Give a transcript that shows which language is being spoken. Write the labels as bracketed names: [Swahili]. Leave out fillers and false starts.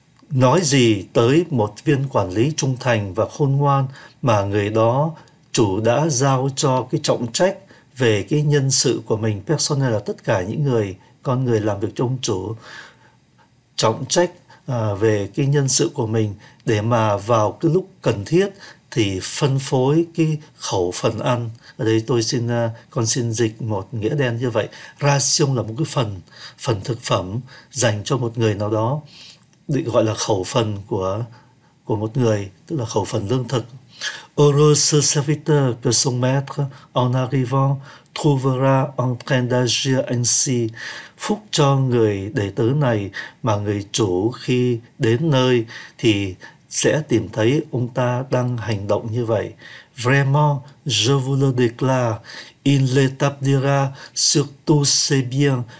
[Vietnamese] Nói gì tới một viên quản lý trung thành và khôn ngoan mà người đó chủ đã giao cho cái trọng trách về cái nhân sự của mình, personnel là tất cả những người, con người làm việc cho ông chủ, trọng trách về cái nhân sự của mình, để mà vào cái lúc cần thiết thì phân phối cái khẩu phần ăn. Ở đây tôi xin con xin dịch một nghĩa đen như vậy: ration là một cái phần phần thực phẩm dành cho một người nào đó, được gọi là khẩu phần của một người, tức là khẩu phần lương thực. [French] Heureux ce serviteur que son maître, en arrivant, trouvera en train d'agir ainsi. [Vietnamese] Phúc cho người đệ tử này mà người chủ khi đến nơi thì sẽ tìm thấy ông ta đang hành động như vậy. [French] Vraiment, je vous le déclare, il l'établira sur tous ses biens.